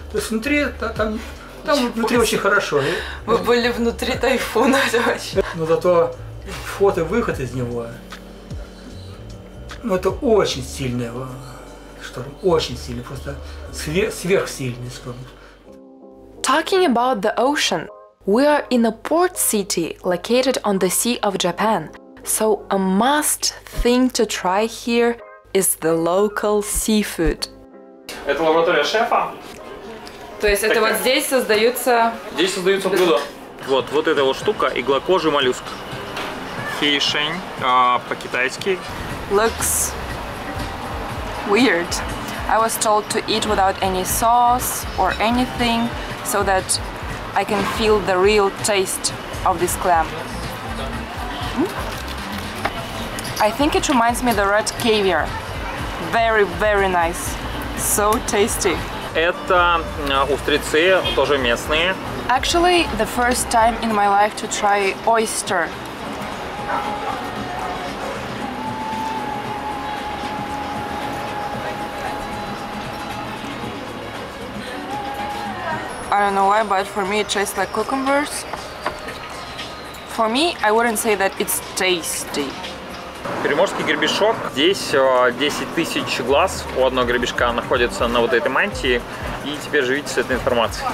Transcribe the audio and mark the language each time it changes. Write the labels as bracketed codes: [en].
[ru] То есть внутри там внутри очень хорошо. Мы были внутри тайфуна, это вообще. Но зато вход и выход из него. Ну это очень сильное. Очень сильный, просто сверхсильный шторм. [en] Talking about the ocean, we are in a port city located on the Sea of Japan. So a must thing to try here is the local seafood. [ru] Это лаборатория шефа. То есть так это вот здесь создаются... Здесь создаются блюда. Вот, вот эта вот штука, игла кожи моллюск. Фишень, по-китайски. [en] Looks weird. I was told to eat without any sauce or anything, so that I can feel the real taste of this clam. Mm? I think it reminds me of the red caviar. Very, very nice. So tasty. [ru] Это устрицы, тоже местные. [en] Actually, the first time in my life to try oyster. I don't know why, but for me it tastes like cucumbers. For me, I wouldn't say that it's tasty. [ru] Приморский гребешок. Здесь 10 тысяч глаз у одного гребешка находится на вот этой мантии. И теперь живите с этой информацией.